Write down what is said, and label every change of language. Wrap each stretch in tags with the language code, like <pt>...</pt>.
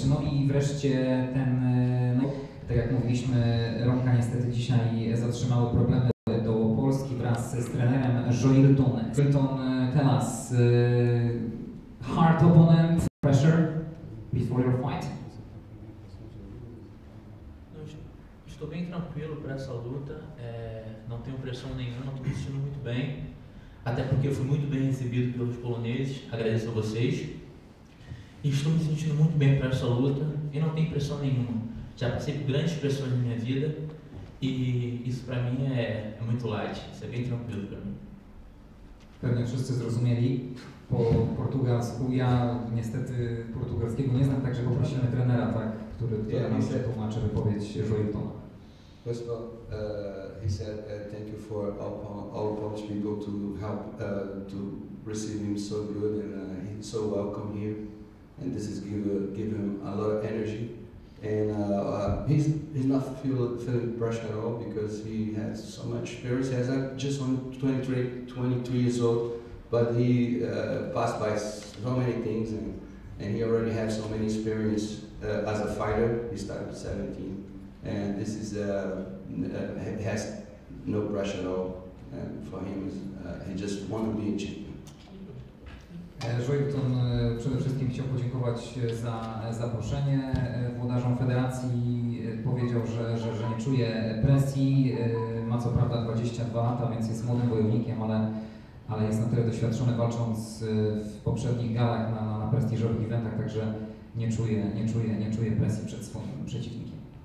<pl>No i wreszcie ten, no, tak jak mówiliśmy, Romka niestety dzisiaj zatrzymały problemy do Polski wraz z trenerem Joilton.</pl> <en>Joilton Telas, hard opponent, pressure before your fight.</en> <pt>Estou bem tranquilo para essa luta, não tenho pressão nenhuma, estou me sentindo muito bem, até porque eu fui muito bem recebido pelos poloneses, agradeço a vocês, e estou me sentindo muito bem para essa luta e não tenho pressão nenhuma. Já passei por grandes pressões na minha vida e isso para mim é muito light, isso é bem tranquilo para mim.</pt> <pl>Pewnie wszyscy zrozumieli po portugalsku. Ja niestety portugalskiego nie znam, także poprosimy trenera, tak, który nam się tłumaczy wypowiedź Joiltona.</pl> <en>First of all, he said thank you for all Polish people to help to receive him so good and he's so welcome here. And this is give him a lot of energy. And he's not feeling pressure at all because he has so much experience. He has just 22 years old, but he passed by so many things and he already has so many experience as a fighter. He started at 17. And this is has no pressure at all for him. He just wants to be a champion.</en> <pl>Joilton przede wszystkim chciał podziękować za zaproszenie włodarzom federacji. Powiedział, że nie czuje presji. Ma co prawda 22 lata, więc jest młodym wojownikiem, ale jest na tyle doświadczony, walcząc w poprzednich galach na prestiżowych eventach, także nie czuje presji przed swoim przeciwnikiem.</pl>